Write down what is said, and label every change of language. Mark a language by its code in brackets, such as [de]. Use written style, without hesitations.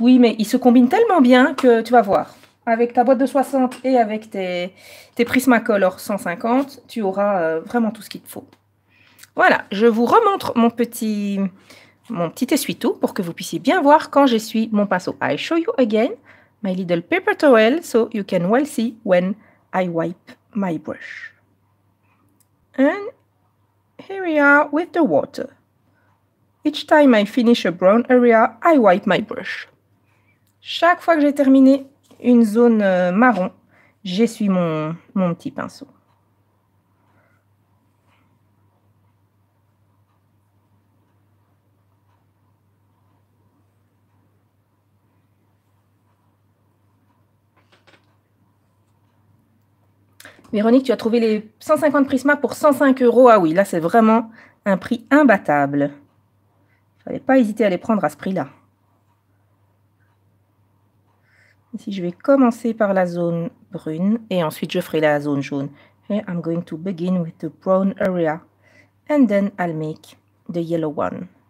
[fr] Oui, mais ils se combinent tellement bien que tu vas voir. Avec ta boîte de 60 et avec tes Prismacolor 150, tu auras vraiment tout ce qu'il te faut. Voilà, je vous remontre mon petit essuie-tout pour que vous puissiez bien voir quand j'essuie mon pinceau. [en] I show you again my little paper towel so you can well see when I wipe my brush. And here we are with the water. Each time I finish a brown area, I wipe my brush. [fr] Chaque fois que j'ai terminé une zone marron, j'essuie mon petit pinceau. Véronique, tu as trouvé les 150 Prisma pour 105 euros. Ah oui, là c'est vraiment un prix imbattable. Je n'allais pas hésiter à les prendre à ce prix-là. Ici, je vais commencer par la zone brune et ensuite je ferai la zone jaune. [en] Et I'm going to begin with the brown area and then I'll make the yellow one.